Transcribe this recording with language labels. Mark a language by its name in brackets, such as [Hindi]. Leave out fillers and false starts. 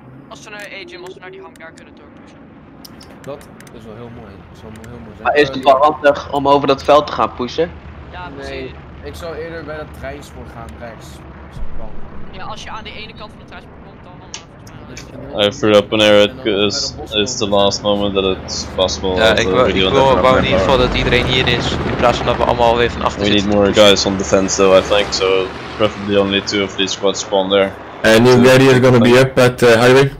[Dutch] Als we naar Agent, als we naar die hangar kunnen doorpushen. Dat is wel heel mooi. Maar is het wel handig om over dat veld te gaan pushen? Ja, nee. Ik zou eerder bij dat treinspoor gaan, rechts. Ja, als je aan de ene kant van het treinspoor komt, dan... [English] I threw up an arrow because it's the last moment that it's possible. [Dutch] Ja, ik wou in ieder geval dat iedereen hier is, in plaats van dat we allemaal weer van achter we zitten. [English] We need more guys on defense though, I think, so preferably only two of these squads spawn there. And new Gary are gonna be up at highway.